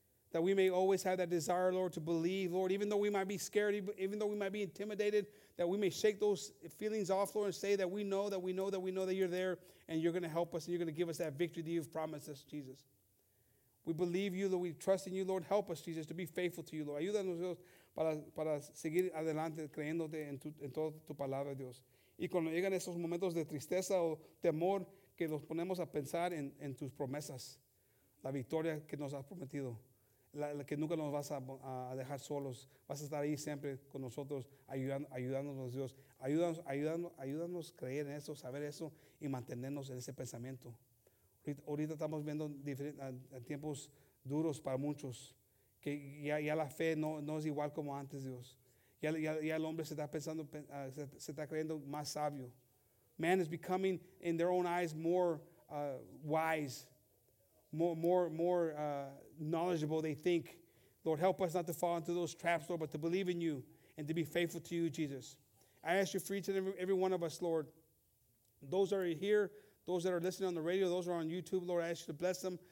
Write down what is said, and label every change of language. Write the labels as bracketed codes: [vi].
[en] That we may always have that desire, Lord, to believe, Lord, even though we might be scared, even though we might be intimidated, that we may shake those feelings off, Lord, and say that we know, that we know, that we know that you're there and you're going to help us and you're going to give us that victory that you've promised us, Jesus. We believe you, Lord. We trust in you, Lord. Help us, Jesus, to be faithful to you, Lord. [es] Ayúdanos, Dios, para seguir adelante creyéndote en toda tu palabra, Dios. Y cuando llegan esos momentos de tristeza o temor, que los ponemos a pensar en tus promesas, la victoria que nos has prometido, la que nunca nos vas a dejar solos. Vas a estar ahí siempre con nosotros, ayudándonos, Dios. Ayúdanos a creer en eso, saber eso y mantenernos en ese pensamiento. Ahorita estamos viendo tiempos duros para muchos, que ya la fe no es igual como antes, Dios. Ya el hombre se está pensando, se está creyendo más sabio. [en] Man is becoming in their own eyes more wise, more knowledgeable, they think. Lord, help us not to fall into those traps, Lord, but to believe in you and to be faithful to you, Jesus. I ask you for each and every one of us, Lord, those that are here, those that are listening on the radio, those that are on YouTube, Lord, I ask you to bless them,